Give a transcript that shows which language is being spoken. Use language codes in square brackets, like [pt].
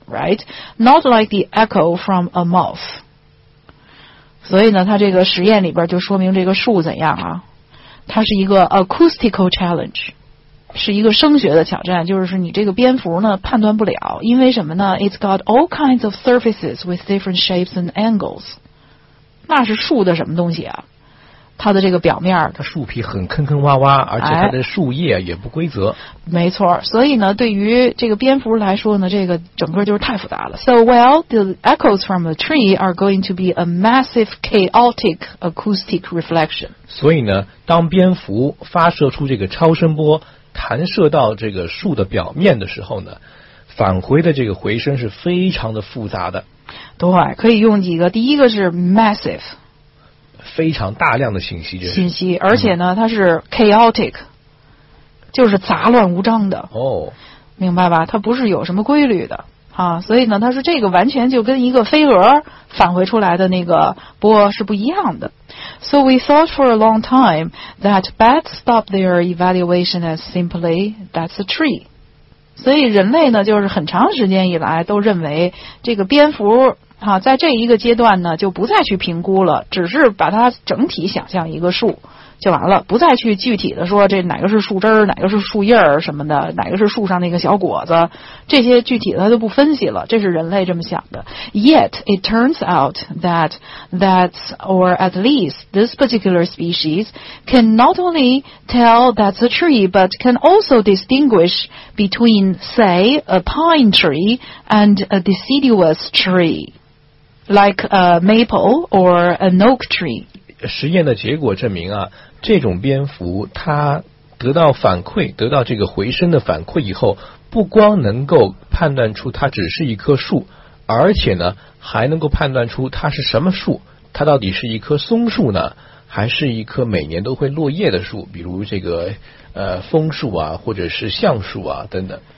[en] Right, not like the echo from a mouth. [zh] 所以呢，它这个实验里边就说明这个树怎样啊？它是一个 [en] acoustical challenge， [zh] 是一个声学的挑战，就是你这个蝙蝠呢判断不了，因为什么呢 ？ [en] It's got all kinds of surfaces with different shapes and angles. [zh] 那是树的什么东西啊？它的这个表面，它树皮很坑坑洼洼，而且它的树叶也不规则。哎，没错，所以呢，对于这个蝙蝠来说呢，这个整个就是太复杂了。 [en] So well, the echoes from a tree are going to be a massive chaotic acoustic reflection. [zh] 所以呢，当蝙蝠发射出这个超声波，弹射到这个树的表面的时候呢，返回的这个回声是非常的复杂的。对，可以用几个，第一个是 massive。非常大量的信息，就是信息，而且呢它是 chaotic， 就是杂乱无章的。哦，明白吧，它不是有什么规律的啊，所以呢它是这个完全就跟一个飞蛾返回出来的那个波是不一样的。 [en] So we thought for a long time that bats stop their evaluation as simply that's a tree. [zh] 所以人类呢就是很长时间以来都认为这个蝙蝠好，在这一个阶段呢就不再去评估了，只是把它整体想象一个树就完了，不再去具体的说这哪个是树枝，哪个是树叶什么的，哪个是树上那个小果子，这些具体的它就不分析了，这是人类这么想的。 [en] Yet it turns out that that's or at least this particular species can not only tell that's a tree but can also distinguish between say a pine tree and a deciduous treelike a maple or an oak tree. [zh] 实验的结果证明啊，这种蝙蝠它得到反馈，得到这个回声的反馈以后，不光能够判断出它只是一棵树，而且呢还能够判断出它是什么树，它到底是一棵松树呢，还是一棵每年都会落叶的树，比如这个枫树啊，或者是橡树啊等等。